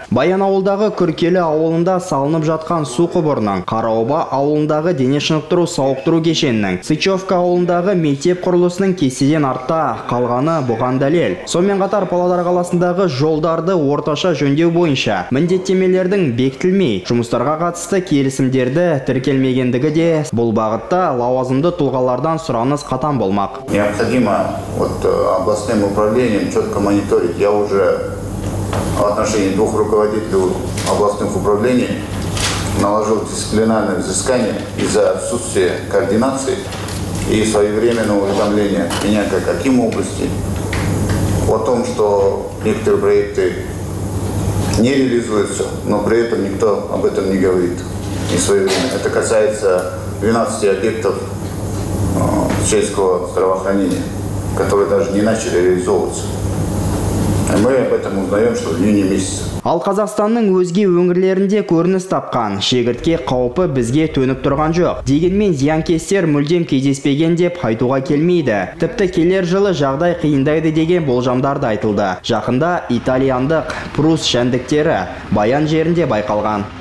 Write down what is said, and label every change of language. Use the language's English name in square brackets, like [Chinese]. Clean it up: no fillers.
[Kazakh] Баянауылдағы Күркелі ауылында салынып жатқан су құбырының, Қараоба ауылындағы дене шынықтыру сауықтыру кешенінің, Сычевка ауылындағы мектеп құрылысының кеседен артта қалғаны бұған дәлел. Сонымен қатар Павлодар қаласындағы жолдарды орташа жөндеу бойынша міндеттемелердің бекітілмей жұмыстарға қатысты келісімдерді тіркелмегендігі де бұл бағытта лауазымды тұлғалардан сұраныс қатан болмақ. [Russian] Необходимо вот областным управлением четко мониторить. Я уже в отношении двух руководителей областных управлений наложил дисциплинарное взыскание из-за отсутствия координации и своевременного уведомления меня как аким области о том, что некоторые проекты не реализуется, но при этом никто об этом не говорит. И своевременно. Это касается 12 объектов сельского здравоохранения, которые даже не начали реализовываться. Мы об этом узнаем, что в июне месяце. [Kazakh] Ал Қазақстанның өзге өңірлерінде көрініс тапқан шегіртке қаупы бізге төніп тұрған жоқ. Дегенмен зиянкестер мүлдем кездеспеген деп айтуға келмейді. Тіпті келер жылы жағдай қиындайды деген болжамдар да айтылды. Жақында итальяндық прус жәндіктері Баян жерінде байқалған.